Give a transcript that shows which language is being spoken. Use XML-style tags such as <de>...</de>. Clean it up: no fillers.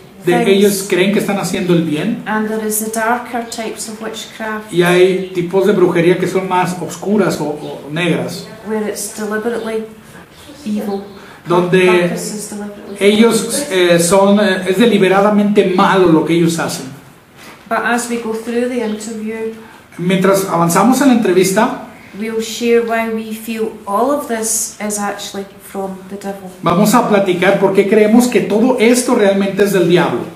<es>De ellos creen que están haciendo el bien.</es> <en>And there is the darker types of witchcraft.</en> <es>Y hay tipos de brujería que son más oscuras o negras.</es> <en>Where it's deliberately evil.</en> <es>Donde ellos son es deliberadamente malo lo que ellos hacen.</es> <en>But as we go through the interview,</en> <es>mientras avanzamos en la entrevista,</es> <en>we'll share why we feel all of this is actually from the devil.</en> <es>Vamos a platicar por qué creemos que todo esto realmente es del diablo.</es>